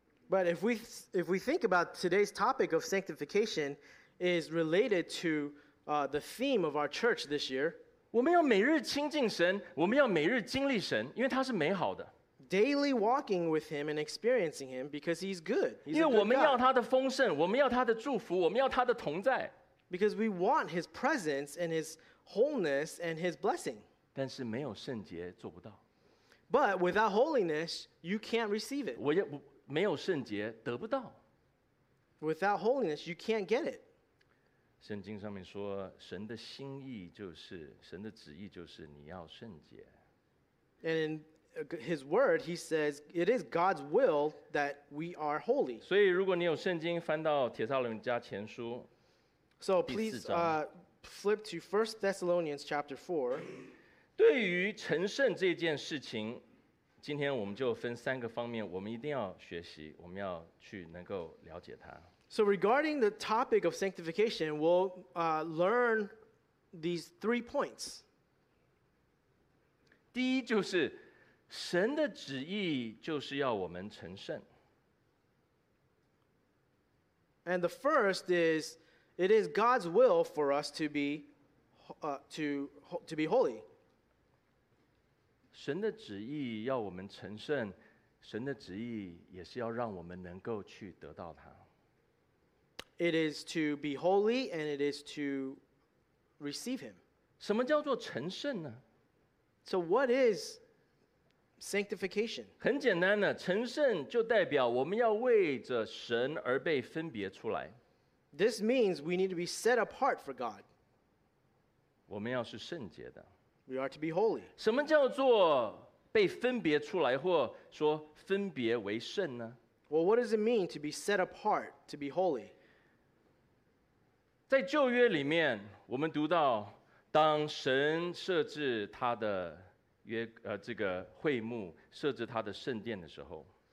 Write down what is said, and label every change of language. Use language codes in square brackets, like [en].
[en] But if we think about today's topic of sanctification, is related to the theme of our church this year. [zh] 我们要每日亲近神，我们要每日经历神，因为他是美好的。 [en] Daily walking with Him and experiencing Him because He's good. He's a good God. [zh] 因为我们要他的丰盛，我们要他的祝福，我们要他的同在。 [en] Because we want His presence and His wholeness and His blessing. [zh] 但是没有圣洁做不到。 [en] But without holiness, you can't receive it. [zh] 我也没有圣洁得不到。 [en] Without holiness, you can't get it. [zh] 圣经上面说，神的心意就是，神的旨意就是你要圣洁。 [en] And in His word, He says, it is God's will that we are holy. [zh] 所以如果你有圣经，翻到帖撒罗尼迦前书。 [en] So please flip to 1 Thessalonians chapter 4. [zh] 对于成圣这件事情，今天我们就分三个方面，我们一定要学习，我们要去能够了解它。 [en] So regarding the topic of sanctification, we'll learn these three points. [zh] 第一就是神的旨意就是要我们成圣。 [en] And the first is it is God's will for us to be, to be holy. [zh] 神的旨意要我们成圣，神的旨意也是要让我们能够去得到它。 [en] It is to be holy and it is to receive Him. [zh] 什么叫做成圣呢？ [en] So what is sanctification? [zh] 很简单的，成圣就代表我们要为着神而被分别出来。 [en] This means we need to be set apart for God. [zh] 我们要是圣洁的。 [en] We are to be holy. [zh] 什么叫做被分别出来，或说分别为圣呢？ [en] Well, what does it mean to be set apart, to be holy? [zh] 在旧约里面，我们读到，当神设置他的约，这个会幕，设置他的圣殿的时候。